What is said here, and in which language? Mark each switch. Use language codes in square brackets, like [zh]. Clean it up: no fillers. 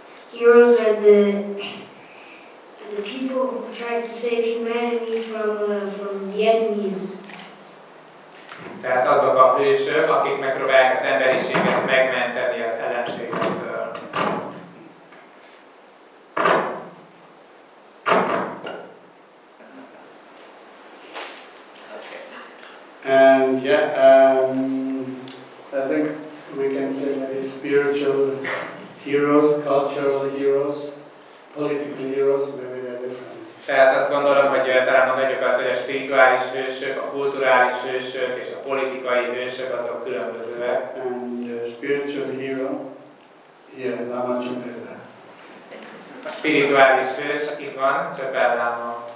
[en] Heroes are the people who try to save humanity from the enemies. [hu] Tehát azok a hősök, akik megpróbálják az emberiséget megmenteni az ellenségektől. [en] And yeah, I think we can say maybe spiritual heroes, cultural heroes, political heroes, maybe they're different. [hu] Tehát azt gondolom, hogy talán mondjuk azt, hogy a spirituális hősök, a kulturális hősök és a politikai hősök azok különbözőek. [en] And the spiritual hero, here, Lama Chupela. [hu] A spirituális hős, itt van, Chupela Lama.